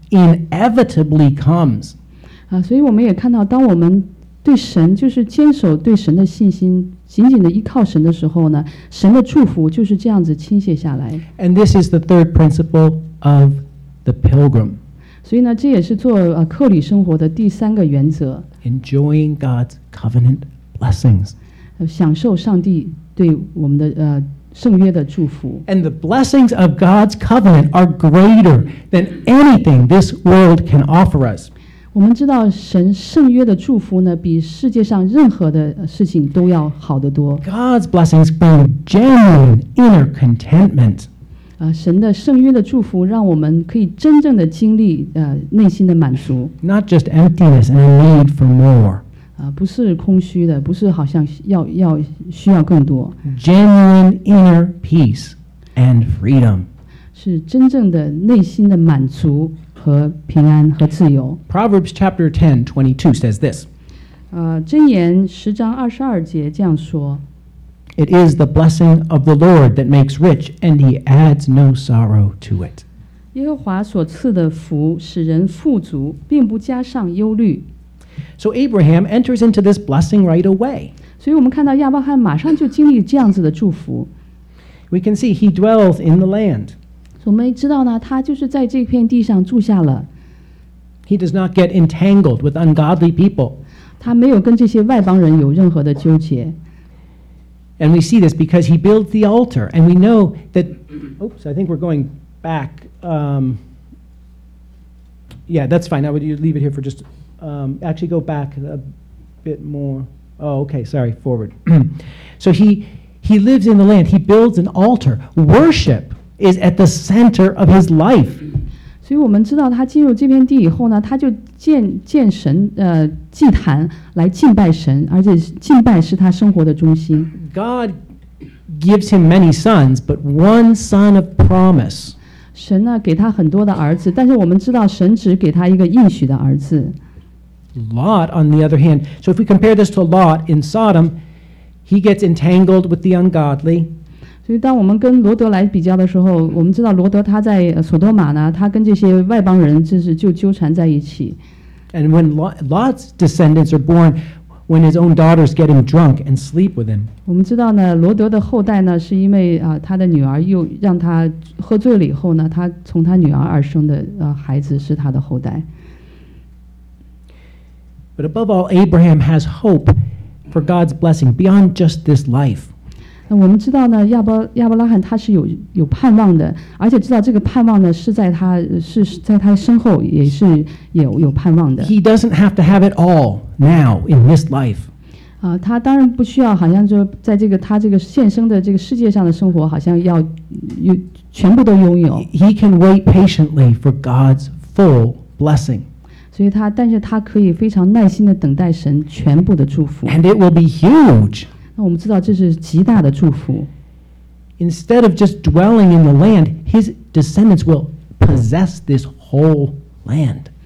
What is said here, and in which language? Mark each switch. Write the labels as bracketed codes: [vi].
[en] inevitably comes. [zh] 啊，所以我们也看到，当我们对神就是坚守对神的信心，紧紧的依靠神的时候呢，神的祝福就是这样子倾泻下来。 [en] And this is the third principle of the pilgrim. [zh] 所以呢，这也是做客旅生活的第三个原则。 [en] Enjoying God's covenant blessings. [zh] 享受上帝对我们的圣约的祝福。 [en] And the blessings of God's covenant are greater than anything this world can offer us. [zh] 我们知道神圣约的祝福呢，比世界上任何的事情都要好得多。 [en] God's blessings bring genuine inner contentment. [zh] 神的圣约的祝福让我们可以真正的经历内心的满足。 [en] Not just emptiness and a need for more. [zh] 不是空虚的，不是好像要需要更多。 [en] Genuine inner peace and freedom. [zh] 是真正的内心的满足。和平安和自由。 [en] Proverbs chapter 10:22 says this. [zh] 箴言十章二十二节这样说。 [en] It is the blessing of the Lord that makes rich, and He adds no sorrow to it. [zh] 耶和华所赐的福使人富足，并不加上忧虑。 [en] So Abraham enters into this blessing right away. [zh] 所以我们看到亚伯翰马上就经历这样子的祝福。 [en] We can see he dwells in the land. [zh] 我们知道呢，他就是在这片地上住下了。 [en] He does not get entangled with ungodly people. [zh] 他没有跟这些外邦人有任何的纠结。 [en] And we see this because he builds the altar, and we know that. Oops, I think we're going back. Yeah, that's fine. I would leave it here for just. Actually, go back a bit more. Oh, okay. Sorry. Forward. So he lives in the land. He builds an altar. Worship. Is at the center of his life. [zh] 所以我们知道他进入这片地以后呢，他就建神祭坛来敬拜神，而且敬拜是他生活的中心。 [en] God gives him many sons, but one son of promise. [zh] 神呢给他很多的儿子，但是我们知道神只给他一个应许的儿子。 [en] Lot, on the other hand, so if we compare this to Lot in Sodom, he gets entangled with the ungodly. [zh] 所以当我们跟罗德来比较的时候，我们知道罗德他在索多玛呢，他跟这些外邦人就是就纠缠在一起。 [en] And when Lot's descendants are born, when his own daughters get him drunk and sleep with him. [zh] 我们知道呢，罗德的后代呢，是因为他的女儿又让他喝醉了以后呢，他从他女儿而生的孩子是他的后代。 [en] But above all, Abraham has hope for God's blessing beyond just this life. [zh] 那我们知道呢，亚伯拉罕他是有盼望的，而且知道这个盼望呢是在他身后也是有盼望的。 [en] He doesn't have to have it all now in this life. [zh] 他当然不需要，好像就在这个他这个现生的这个世界上的生活，好像要有全部都拥有。 [en] He can wait patiently for God's full blessing. [zh] 所以但是他可以非常耐心的等待神全部的祝福。 [en] And it will be huge. [zh] 那我们知道这是极大的祝福。 [en] Instead of just dwelling in the land, his descendants will possess this whole land.